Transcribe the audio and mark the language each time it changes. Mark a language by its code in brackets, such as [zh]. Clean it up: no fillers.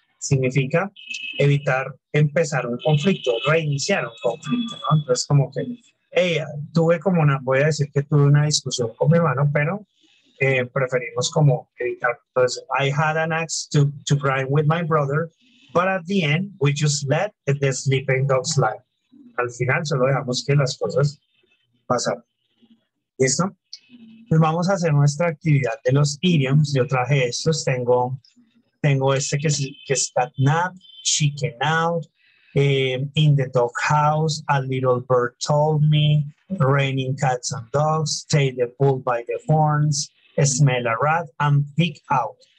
[es] Significa evitar empezar un conflicto, reiniciar un conflicto, ¿no? Entonces, como que, voy a decir que tuve una discusión con mi hermano, pero preferimos como evitar. [en] Entonces, I had an axe to grind with my brother, but at the end, we just let the sleeping dogs lie. [es] Al final, solo dejamos que las cosas pasen. ¿Listo? Pues vamos a hacer nuestra actividad de los idioms. Yo traje estos, tengo este que es catnap, chicken out, in the doghouse, a little bird told me, raining cats and dogs, take the bull by the horns, smell a rat, and pick out.